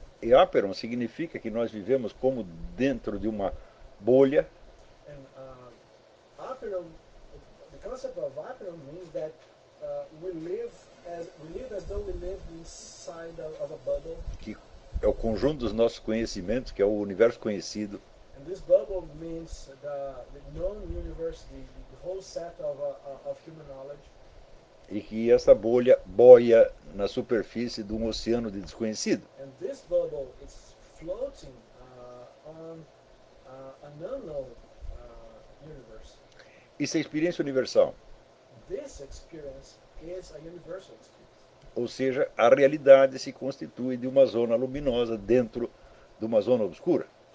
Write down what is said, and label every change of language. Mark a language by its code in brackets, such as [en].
[pt] E operon significa que nós vivemos como dentro de uma bolha. [en] And operon, the concept of operon means that we live as though we live inside of a bubble. [pt] Que é o conjunto dos nossos conhecimentos, que é o universo conhecido. [en] And this bubble means the known universe, the whole set of human knowledge. [pt] E que essa bolha boia na superfície de um oceano de desconhecido. [en] And this bubble is floating on an unknown universe. [pt] Isso é experiência universal. [en] This experience is a universal experience. [pt] Ou seja, a realidade se constitui de uma zona luminosa dentro de uma zona obscura.